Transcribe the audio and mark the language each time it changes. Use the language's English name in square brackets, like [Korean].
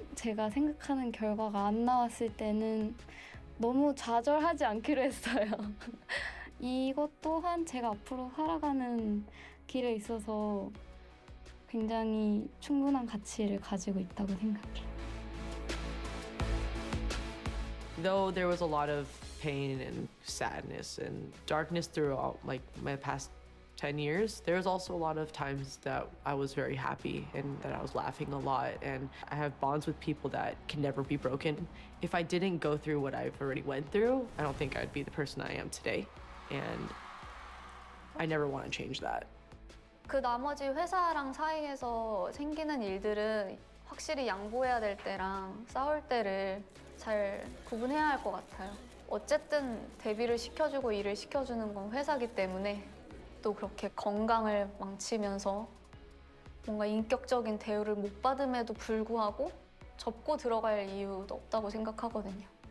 [Korean] 제가 생각하는 결과가 안 나왔을 때는 너무 좌절하지 않기로 했어요. 이것 또한 제가 앞으로 살아가는 길에 있어서 굉장히 충분한 가치를 가지고 있다고 생각해요. [English] Though there was a lot of pain and sadness and darkness throughout like my past 10 years, there was also a lot of times that I was very happy and that I was laughing a lot. And I have bonds with people that can never be broken. If I didn't go through what I've already went through, I don't think I'd be the person I am today. And I never want to change that. [Korean] 그 나머지 회사랑 사이에서 생기는 일들은 확실히 양보해야 될 때랑 싸울 때를 잘 구분해야 할 것 같아요. 어쨌든 데뷔를 시켜주고 일을 시켜주는 건 회사기 때문에 또 그렇게 건강을 망치면서 뭔가 인격적인 대우를 못 받음에도 불구하고 접고 들어갈 이유도 없다고 생각하거든요.